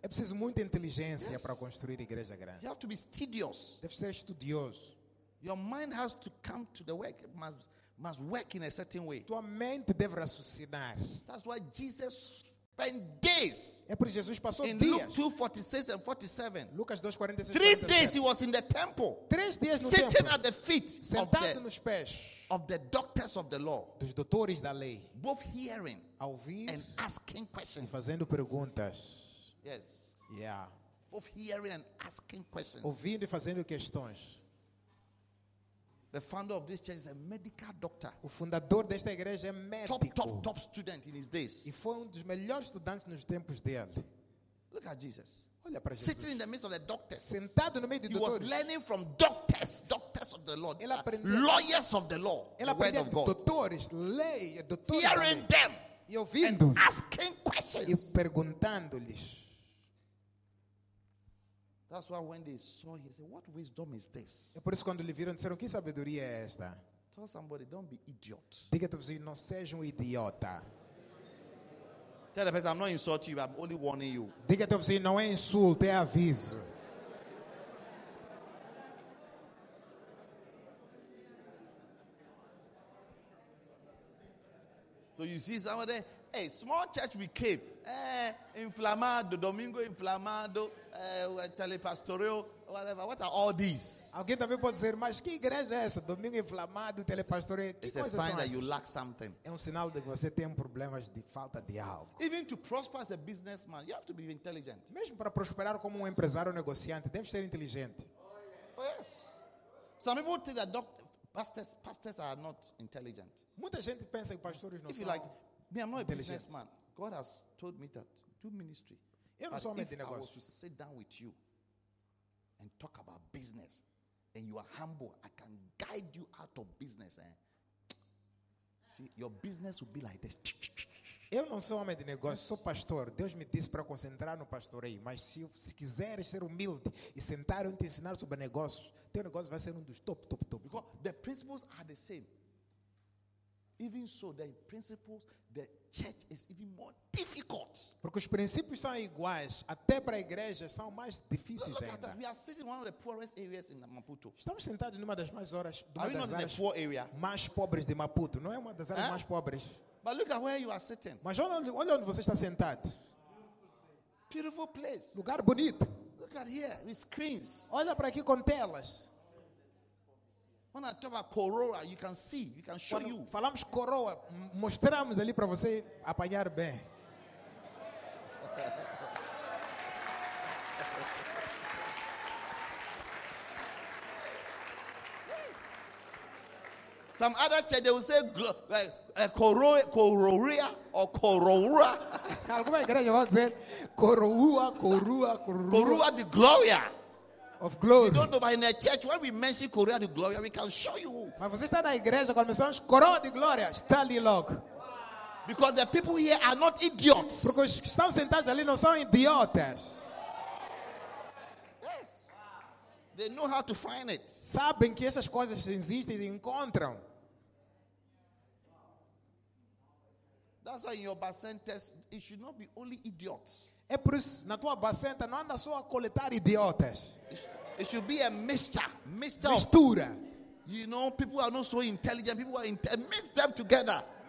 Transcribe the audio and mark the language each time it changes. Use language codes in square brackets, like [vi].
[pt] É preciso muita inteligência, yes, para construir igreja grande. [en] You have to be studious. [pt] Deve ser estudioso. [en] Your mind has to come to the work. Must work in a certain way. [pt] Tua mente deve raciocinar. [en] That's why Jesus spent days. [pt] É por Jesus passou [en] in [pt] dias. [en] In Luke 2:46-47. [pt] Lucas 2:46-47. [en] 3 days he was in the temple. [pt] 3 dias no [en] sitting [pt] templo. [en] At the feet [pt] sentado [en] of the, [pt] nos pés. [en] Of the doctors of the law, [pt] dos doutores da lei, [en] both hearing [pt] a ouvir, [en] and asking questions, [pt] e fazendo perguntas. [en] Yes. Yeah. Both hearing and asking questions, [pt] ouvindo e fazendo questões. [en] The founder of this church is a medical doctor. [pt] O fundador desta igreja é médico. [en] Top student in his days. [pt] E foi dos melhores estudantes nos tempos dele. [en] Look at Jesus. [pt] Olha para Jesus. [en] Sitting in the midst of the doctors. [pt] Sentado no meio de [en] he [pt] doutores. [en] He was learning from doctors of the Lord. [pt] Ele aprendeu. [en] Lawyers of the law. [pt] Ele aprendeu. [en] Word of God. [pt] Doutores, lei, doutores. [en] Hearing them. [pt] E ouvindo. [en] And asking questions. [pt] E perguntando-lhes. [en] That's why when they saw him, they said, "What wisdom is this?" [pt] É por isso quando lhe viram, disseram, que sabedoria é esta? [en] Tell somebody, don't be idiot. [pt] Diga-te, não seja idiota. [en] Tell the person, I'm not insulting you, I'm only warning you. [pt] Diga até você, não é insulto, é aviso. [en] So you see some of them, hey, small church we came. [pt] Inflamado, Domingo Inflamado, Telepastoreo, whatever. [en] What are all these? [pt] Alguém também pode dizer, mas que igreja é essa? Domingo Inflamado, Telepastoreo. [en] It's a sign that you lack something. [pt] É um sinal de que você tem problemas de falta de algo. [en] Even to prosper as a businessman, you have to be intelligent. [pt] Mesmo para prosperar como um empresário ou negociante, deve ser inteligente. [en] Oh, yes. Some people think that pastors are not intelligent. [pt] Muita gente pensa que pastores não são. [en] If you like, me, I'm not a businessman. God has told me that do ministry. [pt] Eu não sou homem de negócio. [en] If I was to sit down with you and talk about business, and you are humble, I can guide you out of business. See, your business will be like this. [pt] Eu não sou homem de negócio, sou pastor. Deus me disse para concentrar no pastoreio. Mas se quiseres ser humilde e sentar e te ensinar sobre negócios, teu negócio vai ser um dos top. [en] Because the principles are the same. Even so, the principles, the church is even more difficult. [pt] Porque os princípios são iguais, até para a igreja são mais difíceis [en] look [pt] ainda. [en] We are sitting in one of the poorest areas in Maputo. [pt] Estamos sentados numa das mais horas, mais pobres de Maputo. Não é uma das áreas mais pobres. [en] But look at where you are sitting. [pt] Mas olha onde você está sentado. [en] Beautiful place. [pt] Lugar bonito. [en] Look at here with screens. [pt] Olha para aqui com telas. [en] When I talk about coroa, you can see, we can show you. [pt] Falamos coroa, mostramos ali para você apanhar bem. [en] Some other church, they will say coroa or coroa. [pt] Alguma igreja vai dizer coroa de glória. [en] Of glory. You don't know, but in a church, when we mention Korea the glory, we can show you. [pt] Mas você está na igreja quando mencionamos [en] Korea the glory, [pt] está ali logo. [en] Because the people here are not idiots. [pt] Porque os que estão sentados ali não são idiotas. [en] Yes. They know how to find it. [pt] Sabem que essas coisas existem e encontram. [en] That's why in your Bassan test, it should not be only idiots. [pt] É por isso, na tua bacenta, não anda só a coletar idiotas. [en] It should be a mixture. [pt] Mistura. [en] You know, people are not so intelligent. People are mix them together.